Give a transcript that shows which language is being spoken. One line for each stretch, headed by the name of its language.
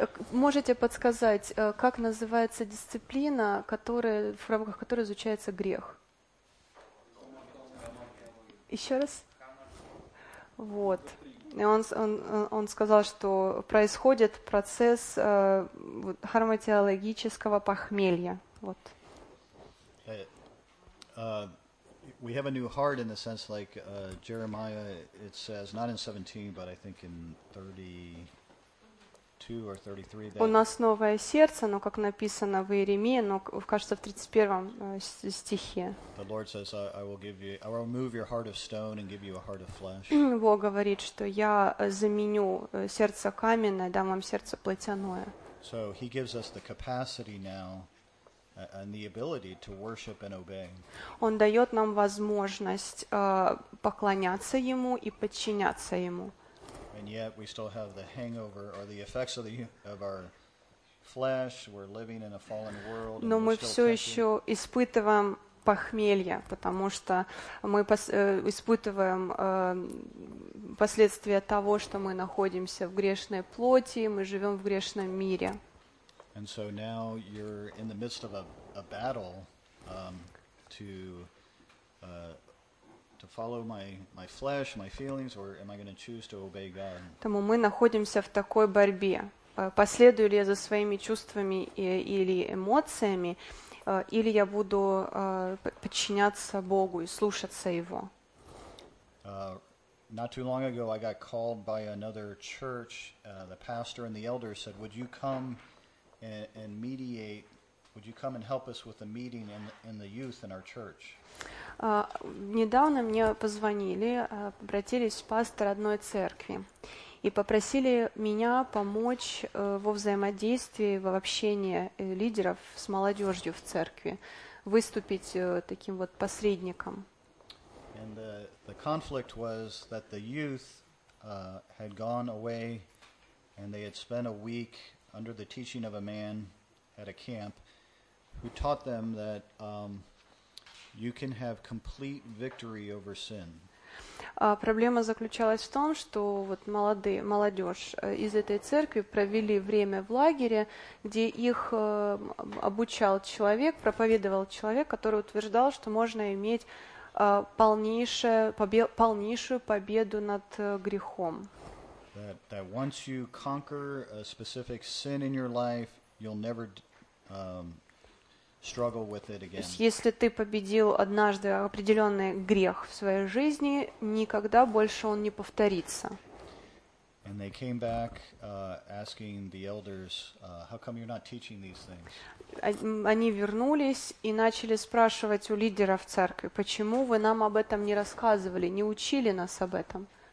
Russian: можете подсказать, как называется дисциплина, которая в рамках которой изучается грех? Еще раз. Вот. И он сказал, что происходит процесс хроматиологического похмелья. Вот.
English: We have a new heart in the sense like Jeremiah, it says, not in 17, but I think in 32 or 33.
Russian: У нас новое сердце, но как написано в Иеремии, но кажется в 31 стихе.
English: The Lord says, I will give you, I will remove your heart of stone and give you a heart of flesh.
Russian: Бог говорит, что я заменю сердце каменное, дам вам сердце плотяное.
English: So he gives us the capacity now and the ability to worship and obey.
Russian: Он дает нам возможность поклоняться ему и подчиняться ему.
English: And yet we still have the hangover or the effects of the of our flesh. We're living in a fallen world.
Russian: Но мы все еще испытываем похмелье, потому что мы испытываем последствия того, что мы находимся в грешной плоти, мы живем в грешном мире.
English: And so now you're in the midst of a battle to follow my flesh, my feelings, or am I going to choose to obey God?
Russian: Тому мы находимся в такой борьбе. Последую ли я за своими чувствами или эмоциями, или я буду подчиняться Богу и слушаться Его?
English: Not too long ago, I got called by another church. The pastor and the elders said, "Would you come and mediate? Would you come and help us with a meeting in the youth in our church?"
Russian: Недавно мне позвонили, обратились пастор одной церкви и попросили меня помочь во взаимодействии, в общении лидеров с молодежью в церкви, выступить таким вот посредником.
English: And the conflict was that the youth had gone away and they had spent a week under the teaching of a man at a camp who taught them that you can have complete victory over sin.
Russian: Проблема заключалась в том, что вот молодежь из этой церкви провели время в лагере, где их обучал человек, проповедовал человек, который утверждал, что можно иметь полнейшую победу над грехом.
English: That once you conquer a specific sin in your life, you'll never struggle with it again.
Russian: Если ты победил однажды определенный грех в своей жизни, никогда больше он не повторится.
English: And they came back asking the elders, how come you're not teaching these things?
Russian: Они вернулись и начали спрашивать у лидеров церкви, почему вы нам об этом не рассказывали, не учили нас об этом?